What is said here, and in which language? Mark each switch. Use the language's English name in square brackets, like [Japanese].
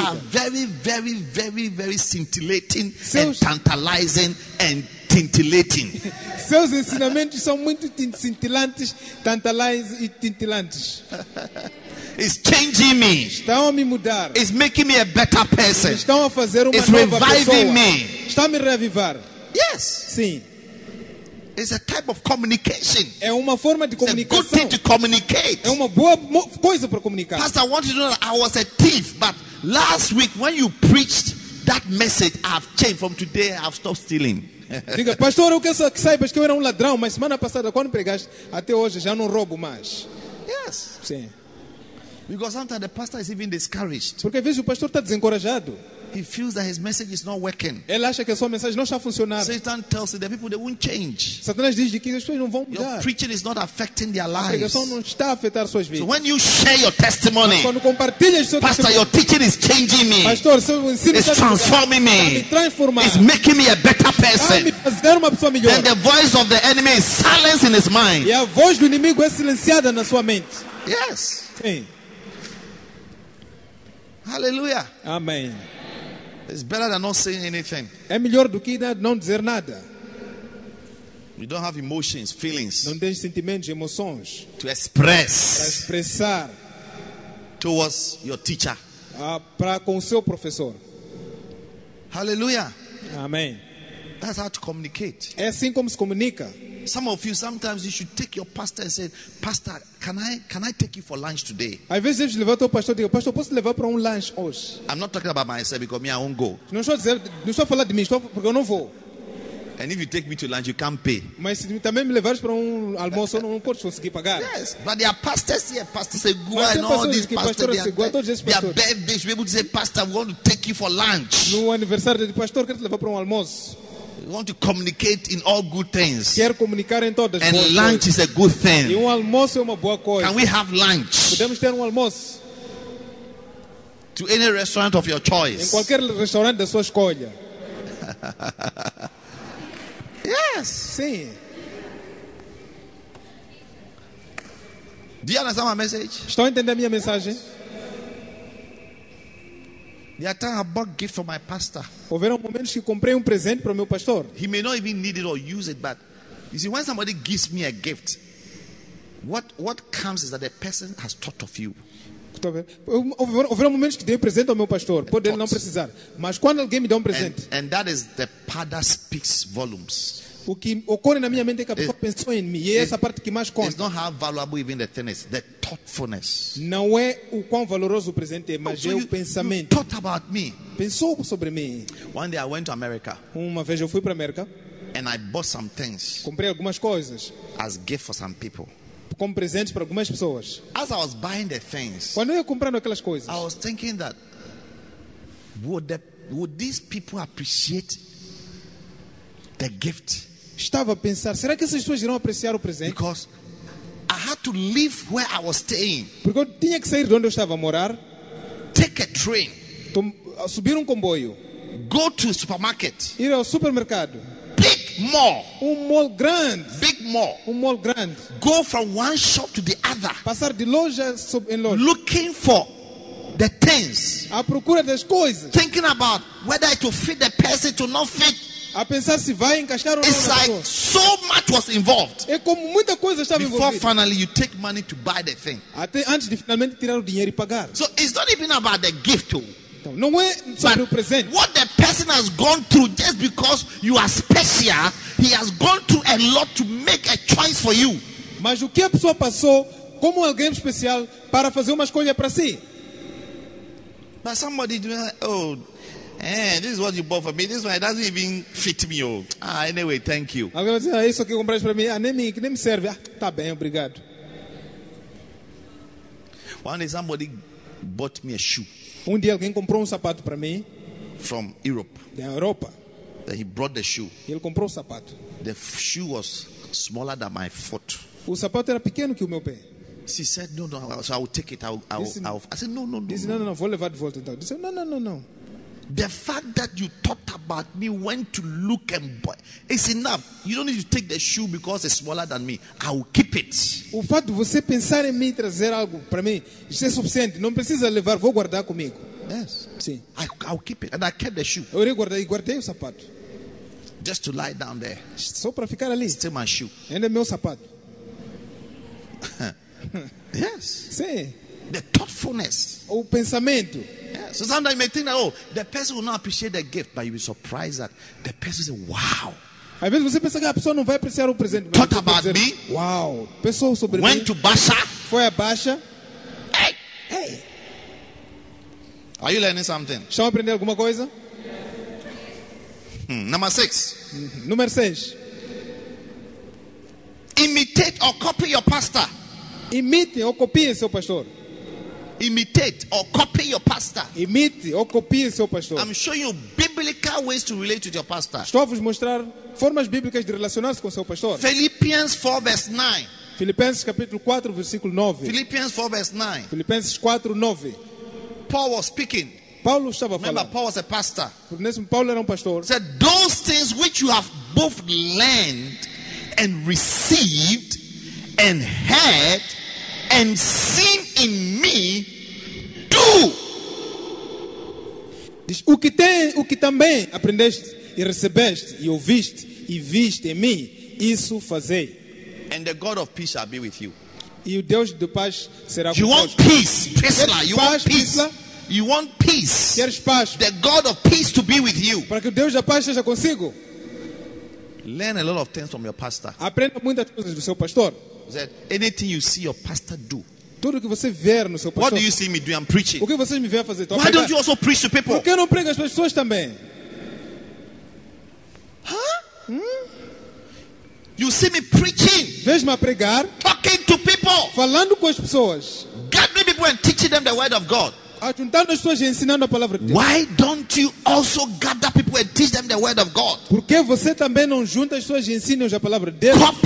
[English] Your teachings are very, very, very, very scintillating and tantalizing and tintillating. [Portuguese] Seus ensinamentos são muito cintilantes, tantalizantes e tintilantes. [English] It's changing me. [Portuguese] Estão a me mudar. [English] It's making me a better person. [Portuguese] Estão a fazer uma [English] It's [Portuguese] nova [English] reviving [Portuguese] pessoa. [English] Me. [Portuguese] Estão a me reavivar. [English] Yes. [Portuguese] Sim. [English] It's a type of communication. [Portuguese] É uma forma de [English] It's [Portuguese] comunicação. [English] A good thing to communicate. [Portuguese] É uma boa coisa para comunicar. [English] Pastor, I want you to know that I was a thief, but last week when you preached that message, I've changed. From today, I've stopped stealing. [Portuguese] Diga, pastor, eu quero que saibas que eu era um ladrão, mas semana passada quando pregaste, até hoje já não roubo mais. [English] Yes. [Portuguese] Sim. [English] Because sometimes the pastor is even discouraged. [Portuguese] Porque às vezes o pastor está desencorajado. [English] He feels that his message is not working. [Portuguese] Ele acha que a sua mensagem não está funcionando. [English] Satan tells him that people they won't change. [Portuguese] Satanás diz que as pessoas não vão mudar. [English] Your preaching is not affecting their lives. [Portuguese] A pregação não está a afetar suas vidas. [English] So when you share your testimony, [Portuguese] quando compartilhas o seu [English] pastor, [Portuguese] testemunho, [English] your teaching is changing me. [Portuguese] Pastor, seu ensino [English] it's [Portuguese] está [English] transforming me. [Portuguese] Está me transformando. [English] It's making me a better person. [Portuguese] Está me fazendo uma pessoa melhor. [English] Then the voice of the enemy is silenced in his mind. [Portuguese] E a voz do inimigo é silenciada na sua mente. [English] Yes. [Portuguese] Sim. [English] Hallelujah. [Portuguese] Amen. [English] It's better than not saying anything. [Portuguese] É melhor do que não dizer nada. [English] You don't have emotions, feelings. [Portuguese] Não tem sentimentos, emoções. [English] To express. [Portuguese] Para expressar. [English] Towards your teacher. [Portuguese] Para com seu professor. [English] Hallelujah. [Portuguese] Amen. [English] That's how to communicate. [Portuguese] É assim como se comunica. [English] Some of you sometimes you should take your pastor and say, Pastor, can I take you for lunch today? [Portuguese] Às vezes deve levar teu pastor e diga, Pastor, posso levar para lunch hoje? [English] I'm not talking about myself because me I won't go. [Portuguese] Não estou a falar de mim, estou porque eu não vou. [English] And if you take me to lunch, you can't pay. [Portuguese] Mas se também me levares para almoço, não posso conseguir pagar. [English] Yes, but there are pastors here, Pastor Segura, and all these pastors. They are birthday, should be able to say, Pastor, we want to take you for lunch. [Portuguese] No aniversário do pastor, quero te levar para almoço. [English] You want to communicate in all good things. [Portuguese] Quer comunicar em todas [English] and lunch [Portuguese] coisas. [English] Is a good thing. [Portuguese] E almoço é uma boa coisa. [English] Can we have lunch? [Portuguese] Podemos ter almoço. [English] To any restaurant of your choice. [Portuguese] Em qualquer restaurante da sua escolha. [English] Yes. [Portuguese] Sim. [English] Do you understand my message? [Portuguese] Estão entendendo a minha mensagem? [English] The other time I bought a gift for my pastor. [Portuguese] Houveram momentos que comprei presente para o meu pastor. [English] He may not even need it or use it, but you see, when somebody gives me a gift, what comes is that the person has thought of you. [Portuguese] Houveram momentos que dei presente ao meu pastor, pode ele não precisar. Mas quando alguém me dá presente, [English] and that is the part that speaks volumes. [Portuguese] O que ocorre na minha mente é que a pessoa pensou em mim. E essa parte que mais conta. [English] It's not how valuable even the thing is, the thoughtfulness. [Portuguese] Não é o quão valoroso o presente é, mas é o pensamento. [English] You thought about me. [Portuguese] Pensou sobre mim. [English] One day I went to America. [Portuguese] Uma vez eu fui para América. [English] And I bought some things. [Portuguese] Comprei algumas coisas. [English] As gift for some people. [Portuguese] Como presente para algumas pessoas. [English] As I was buying the things. [Portuguese] Quando eu ia comprando aquelas coisas. [English] I was thinking that would these people appreciate the gift? [Portuguese] Estava a pensar, será que essas pessoas irão apreciar o presente? [English] Because I had to leave where I was staying. [Portuguese] Porque eu tinha que sair de onde eu estava a morar. [English] Take a train. [Portuguese] Subir comboio. [English] Go to a supermarket. [Portuguese] Ir ao supermercado. [English] Big mall. [Portuguese] Mall grande. [English] Big mall. [Portuguese] Mall grande. [English] Go from one shop to the other. [Portuguese] Passar de loja em loja. [English] Looking for the things. [Portuguese] À procura das coisas. [English] Thinking about whether it will fit the person to not fit. [Portuguese] A pensar se vai encaixar ou [English] it's [Portuguese] não. [English] Like so much was involved. [Portuguese] É como muita coisa estava [English] before [Portuguese] envolvida. [English] Before finally you take money to buy the thing. [Portuguese] Até antes de finalmente tirar o dinheiro e pagar. [English] So it's not even about the gift. [Portuguese] Então, não é sobre o presente. [English] What the person has gone through, just because you are special, he has gone through a lot to make a choice for you. [Portuguese] Mas o que a pessoa passou como alguém especial para fazer uma escolha para si? [English] But somebody do this is what you bought for me. This one doesn't even fit me. Oh, anyway, thank you. [Portuguese] Alguém vai dizer, isso que compraste para mim, nem me serve. Ah, tá bem, obrigado. [English] One day somebody bought me a shoe. [Portuguese] Um dia alguém comprou um sapato para mim. [English] From Europe. [Portuguese] Da Europa. [English] Then he brought the shoe. [Portuguese] Ele comprou o sapato. [English] The shoe was smaller than my foot. [Portuguese] O sapato era pequeno que o meu pé. [English] She said, no, so I'll take it. I said, no. [Portuguese] Disse, [English] no, [Portuguese] vou levar de volta então. Disse, no. [English] The fact that you thought about me, went to look and buy, it's enough. You don't need to take the shoe because it's smaller than me. I will keep it. [Portuguese] O fato de você pensar em mim e trazer algo para mim, isso é suficiente. Não precisa levar, vou guardar comigo. [English] Yes. [Portuguese] Sim. [English] I'll keep it. And I kept the shoe. [Portuguese] Eu irei guardar e guardei o sapato. [English] Just to lie down there. [Portuguese] Só para ficar ali. [English] Still my shoe. [Portuguese] Ainda é meu sapato. [English] Yes. [Portuguese] Sim. [English] The thoughtfulness. [Portuguese] O pensamento. [English] Yeah. So sometimes you may think that, the person will not appreciate the gift, but you'll be surprised that the person says, wow. [Portuguese] Às vezes você pensa que a pessoa não vai apreciar o presente. [English] Thought about me? [Portuguese] Wow. Pensou sobre [English] mim. Went to Baixa? [Portuguese] Foi a Baixa. Hey! Hey! [English] Are you learning something? [Portuguese] Estão aprendendo alguma coisa? [English] Number 6. [Portuguese] Número 6. [English] Imitate or copy your pastor. [Portuguese] Imite ou copie seu pastor. [English] Imitate or copy your pastor. [Portuguese] Imite ou copie seu pastor. [English] I'm showing you biblical ways to relate with your pastor. [Portuguese] Estou a vos mostrar formas bíblicas de relacionar-se com seu pastor. [English] Philippians 4 verse 9. [Portuguese] Filipenses capítulo 4 versículo 9. [English] Philippians 4 verse 9. [Portuguese] Filipenses 4 9. [English] Paul was speaking. [Portuguese] Paulo estava [English] falando. Remember, Paul was a pastor. [Portuguese] Porque nesse Paulo era um pastor. [English] Said those things which you have both learned and received and heard and seen in me, do. [Portuguese] Diz, o que também aprendeste e recebeste e ouviste e viste em mim, isso fazei. [English] And the God of peace shall be with you. [Portuguese] E o Deus de paz será com você. [English] You want peace. [Portuguese] Queres paz? [English] The God of peace to be with you. [Portuguese] Para que o Deus da paz esteja consigo. [English] Learn a lot of things from your pastor. [Portuguese] Aprenda muitas coisas do seu pastor. [English] That anything you see your pastor do. [Portuguese] Tudo que você ver no seu pastor. [English] What do you see me do? I'm preaching. [Portuguese] O que vocês me veem fazer? [English] Why don't you also preach to people? [Portuguese] Por que não prega as pessoas também? [English] You see me preaching. [Portuguese] Vejo-me a pregar. [English] Talking to people. [Portuguese] Falando com as pessoas. [English] Gathering people and teaching them the word of God. [Portuguese] Ajuntando as pessoas e ensinando a palavra de Deus. [English] Why don't you also gather people and teach them the word of God? [Portuguese] Por que você também não junta as pessoas e ensina a palavra de Deus?